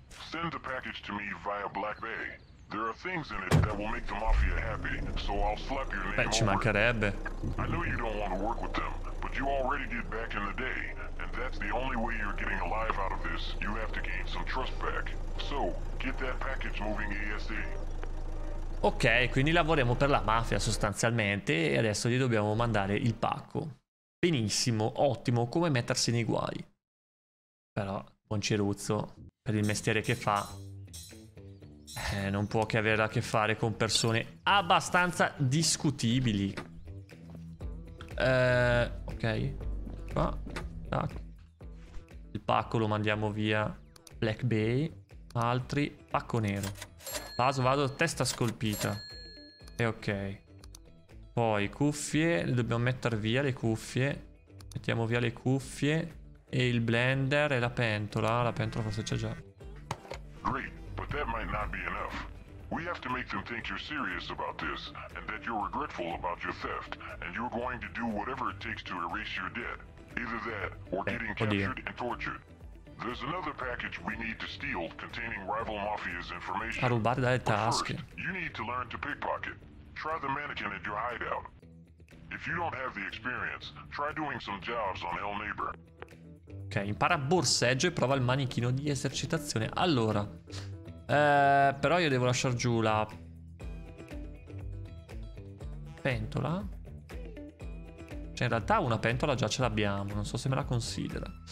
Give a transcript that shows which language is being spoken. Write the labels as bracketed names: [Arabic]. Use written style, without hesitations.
[English] Send the package to me via Black Bay. There are things in it that will make the mafia happy, so I'll slap your name over. [Italian] Beh, ci mancherebbe. [English] I know you don't want to work with them, but you already did back in the day, and that's the only way you're getting alive out of this. You have to gain some trust back. So, get that package moving ASA. [Italian] Ok, quindi lavoriamo per la mafia sostanzialmente e adesso gli dobbiamo mandare il pacco. Benissimo, ottimo, come mettersi nei guai. Però, buon Ciruzzo, per il mestiere che fa, non può che avere a che fare con persone abbastanza discutibili. Ok, qua, tac. Il pacco lo mandiamo via Black Bay. Altri, pacco nero. Vado, testa scolpita. E ok. Poi cuffie, le dobbiamo mettere via le cuffie. Mettiamo via le cuffie e il blender e la pentola. La pentola forse c'è già. [English] Great, but that might not be enough. We have to make them think you're serious about this and that you're regretful about your theft and you're going to do whatever it takes to erase your debt. Either that or getting captured and tortured. There's another package we need to steal containing rival mafia's information. [Italian] A rubare dalle tasche. [English] First, you need to learn to pickpocket. Try the mannequin at your hideout. If you don't have the experience, try doing some jobs on El Neighbor. [Italian] Ok, impara borseggio e prova il manichino di esercitazione. Allora, però io devo lasciar giù la pentola. Cioè in realtà una pentola già ce l'abbiamo, non so se me la considera.